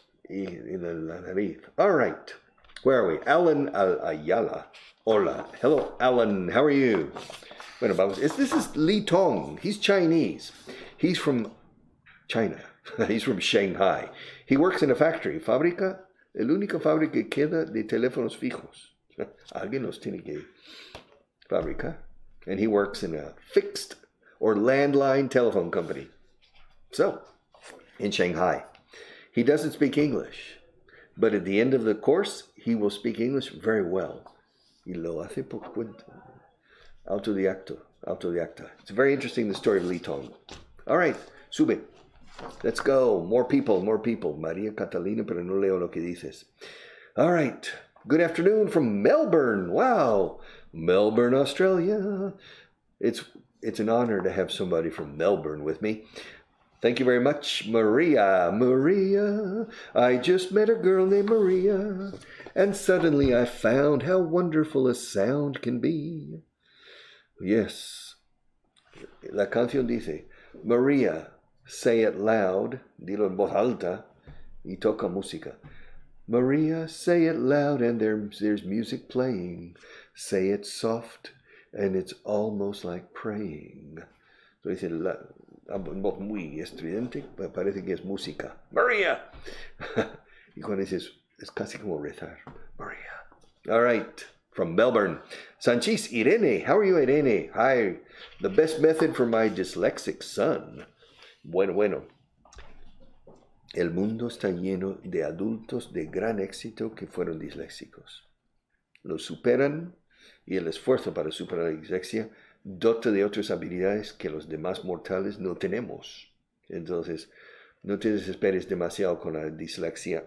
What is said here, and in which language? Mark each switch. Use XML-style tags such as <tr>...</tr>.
<en>Yeah.</en> <es>Y en la nariz.</es> <en>All right. Where are we? Alan Ayala. Hola. Hello, Alan. How are you?</en> <es>Bueno, vamos.</es> <en>This is Li Tong. He's Chinese. He's from China. He's from Shanghai. He works in a factory. Fábrica.</en> <es>El único fábrica que queda de teléfonos fijos. Alguien los tiene que fábrica.</es> <en>And he works in a fixed or landline telephone company. So, in Shanghai. He doesn't speak English. But at the end of the course, he will speak English very well.</en> <es>Y lo hace por cuenta. Auto de acto.</es> <en>It's a very interesting, the story of Li Tong. All right, sube. Let's go. More people.</en> <es>Maria Catalina, pero no leo lo que dices.</es> <en>All right. Good afternoon from Melbourne. Wow. Melbourne, Australia. It's an honor to have somebody from Melbourne with me. Thank you very much, Maria. Maria, I just met a girl named Maria, and suddenly I found how wonderful a sound can be. Yes.</en> <es>La canción dice,</es> <en>Maria, say it loud,</en> <es>dilo en voz alta, y toca música.</es> <en>Maria, say it loud, and there's music playing. Say it soft, and it's almost like praying. So he said,</en> <es>muy estridente, parece que es música. Maria! Y cuando dices, es casi como rezar. Maria.</es> <en>All right, from Melbourne. Sanchis, Irene, how are you, Irene? Hi, the best method for my dyslexic son.</en> <es>Bueno. El mundo está lleno de adultos de gran éxito que fueron disléxicos. Lo superan y el esfuerzo para superar la dislexia dota de otras habilidades que los demás mortales no tenemos. Entonces, no te desesperes demasiado con la dislexia.</es>